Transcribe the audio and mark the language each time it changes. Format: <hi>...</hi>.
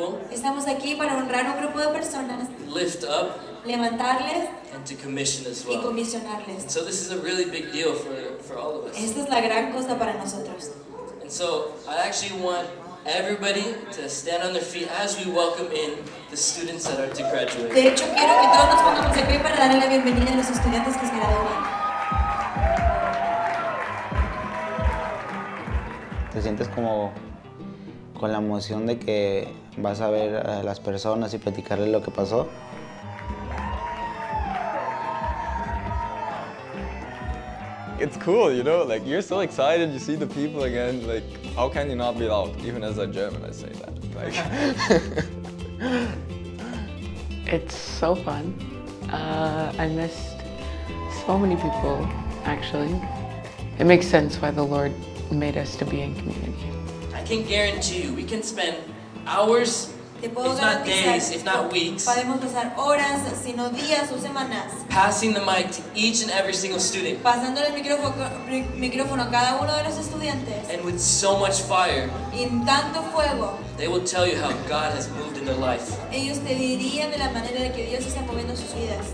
<es>Estamos aquí para honrar un grupo de personas.</es> <en>Lift up.</en> <es>Levantarles.</es> <en>And to commission as well.</en> <es>Y comisionarles.</es> <en>And so this is a really big deal for all of us.</en> <es>Esta es la gran cosa para nosotros.</es> <en>And so I actually want everybody to stand on their feet as we welcome in the students that are to graduate.</en> <es>De hecho, quiero que todos nos pongamos de pie para darle la bienvenida a los estudiantes que se gradúan. ¿Te sientes como con la emoción de que vas a ver a las personas y platicarles lo que pasó?</es> <en>It's cool, you know, like you're so excited, you see the people again, like how can you not be loud? Even as a German, I say that. Like, it's so fun. I missed so many people, actually. It makes sense why the Lord made us to be in community. I can guarantee you, we can spend hours, if not days, if not weeks,</en> <es>podemos pasar horas, sino días o semanas,</es> <en>passing the mic to each and every single student,</en> <es>pasándole el micrófono a cada uno de los estudiantes,</es> <en>and with so much fire,</en> <es>y tanto fuego,</es> <en>they will tell you how God has moved in their life.</en> <es>Ellos te dirían de la manera de que Dios está moviendo sus vidas.</es>